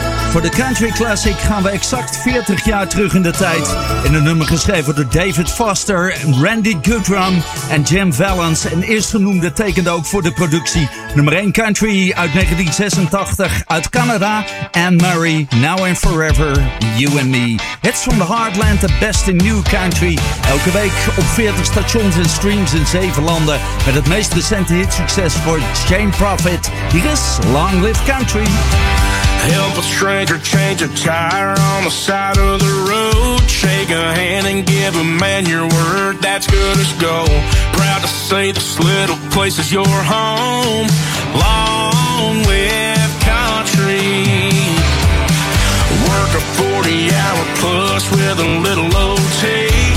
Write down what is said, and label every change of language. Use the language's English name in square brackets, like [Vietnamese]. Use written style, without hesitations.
[Dutch] Voor de Country Classic gaan we exact 40 jaar terug in de tijd. In een nummer geschreven door David Foster, Randy Goodrum en Jim Vallance. En eerstgenoemde tekende ook voor de productie. Nummer 1 Country uit 1986 uit Canada. Anne Murray, Now and Forever, You and Me. [English] Hits from the Heartland, the best in new country. [Dutch] Elke week op 40 stations en streams in 7 landen. Met het meest recente hitsucces voor Jane Profit. Hier is Long Live Country. [English] Help a stranger change a tire on the side of the road. Shake a hand and give a man your word that's good as gold. Proud to say this little place is your home. Long live country. Work a 40-hour plus with a little OT.